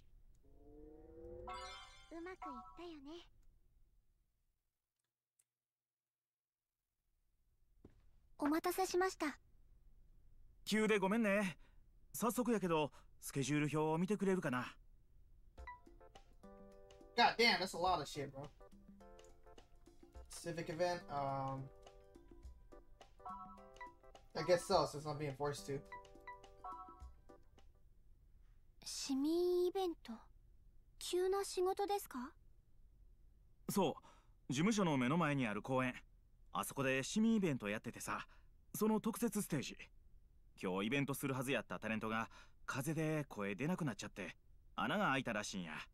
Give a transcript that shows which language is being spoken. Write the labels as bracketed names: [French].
[Japanese] うまくいったよね。お待たせしました。急でごめんね。早速やけど、スケジュール表を見てくれるかな。 [English] God damn, that's a lot of shit, bro. Civic event, I guess so, since I'm being forced to. [Japanese] 市民イベント、急な仕事ですか？そう、事務所の目の前にある公園。あそこで市民イベントやっててさ。その特設ステージ、今日イベントするはずやったタレントが風邪で声出なくなっちゃって穴が開いたらしいんや。